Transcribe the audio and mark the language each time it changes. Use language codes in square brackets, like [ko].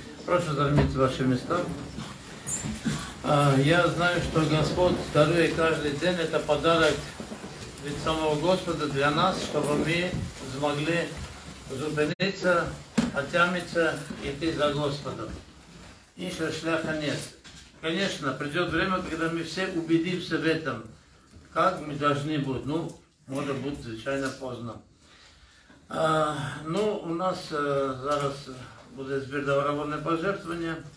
[uk] Прошу займіть ваші місця. Я знаю, що Господь дарує кожен день. Це подарок від самого Господа для нас, щоб ми змогли зупинитися, отямитися і йти за Господом. Іншого шляху нет. [ru] Конечно, придет время, когда мы все убедимся в этом, как мы должны быть. Ну, может быть, звичайно поздно. [uk] Ну, у нас зараз будет збір добровольне пожертвование.